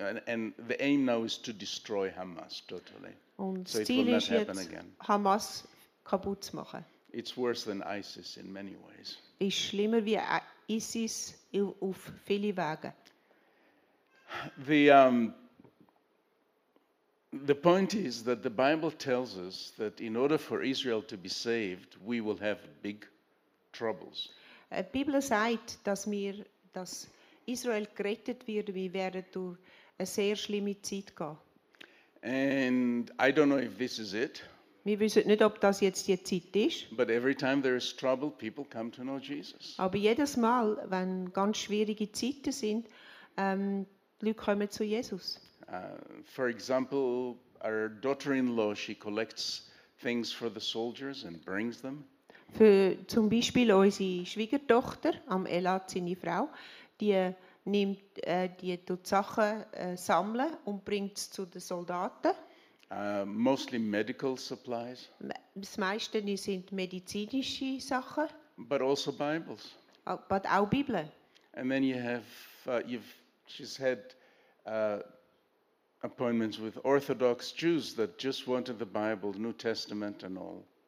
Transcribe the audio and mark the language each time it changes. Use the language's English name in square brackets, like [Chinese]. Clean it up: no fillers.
[English] And the aim now is to destroy Hamas totally. Und so it will not happen again. Hamas [German] kaputt zu machen. [English] It's worse than ISIS in many ways. [German] Ist schlimmer wie ISIS auf viele Wege. [English] The point is that the Bible tells us that in order for Israel to be saved, we will have big troubles. [German] Die Bibel sagt, dass Israel gerettet wird, wir werden durch eine sehr schlimme Zeit gehen. [English] And I don't know if this is it. [German] Wir wissen nicht, ob das jetzt die Zeit ist. [English] But every time there is trouble, people come to know Jesus. [German] Aber jedes Mal, wenn ganz schwierige Zeiten sind, Leute kommen zu Jesus. [English] For example, our daughter-in-law, she collects things for the soldiers and brings them. [German] Für zum Beispiel unsere Schwiegertochter, Amela, seine Frau, die nimmt, die tut Sachen sammeln und bringt es zu den Soldaten. [English] Mostly medical supplies. [German] Das meiste sind medizinische Sachen. [English] But also Bibles. [German] But auch Bibeln. [English] And then you have, she's had appointments with Orthodox Jews that just wanted the Bible, New Testament and all.